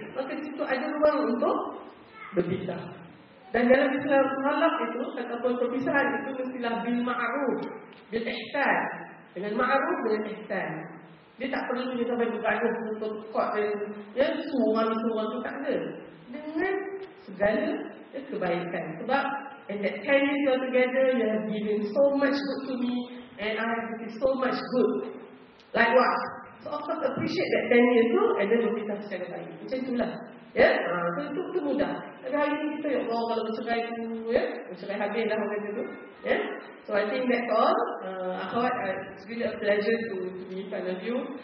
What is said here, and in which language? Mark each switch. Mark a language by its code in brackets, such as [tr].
[ms] Maka di situ ada ruang untuk berpisah. Dan dalam Islam talak itu, ataupun perpisahan itu mestilah bil ma'ruf, bil ihsan. Dengan ma'ruf, dengan ihsan. Dia tak perlu dia sampai berkata untuk kuat dan ya, semua itu tak ada. Dengan segala ya, kebaikan. [en] Sebab in that 10 years you are together, you have given so much good to me and I have given so much good. Likewise. So of course appreciate that 10 years too and then [ms] berpisah secara baik. Macam itulah. [en] Ya? Yeah? So [ms] itu mudah. Tapi hari ini kita, ya Allah, kalau bercerai itu, ya? Bercerai habis lah orang itu. [en] Ya? So I think that's all. Akhawat, it's really a pleasure to meet one of you.